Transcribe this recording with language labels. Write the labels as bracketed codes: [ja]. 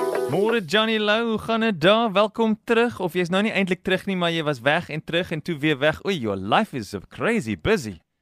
[af] Môre Johnny Lou, hoe gaan dit daar? Welkom terug. Of jy is nou nie eintlik terug nie, maar jy was weg en terug en toe weer weg. [en] Oei, your life is so crazy busy.